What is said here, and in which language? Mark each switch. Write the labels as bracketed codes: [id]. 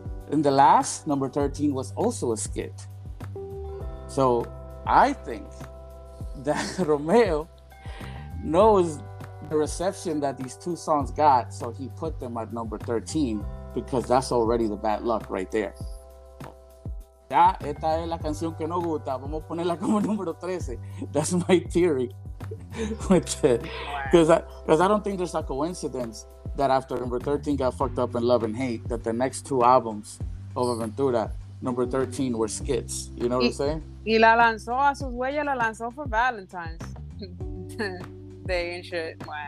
[en] And the last, number 13, was also a skit. So, I think that Romeo knows the reception that these two songs got, so he put them at number 13, because that's already the bad luck right there. [es] Ya, esta es la canción que nos gusta. Vamos a ponerla como número 13. [en] That's my theory. Because I don't think there's a coincidence that after number 13 got fucked up in Love and Hate, that the next two albums of Aventura, number 13, were skits. You know what I'm saying? [es] Y la lanzó a Sus Huellas, la lanzó [en] for Valentine's Day and shit.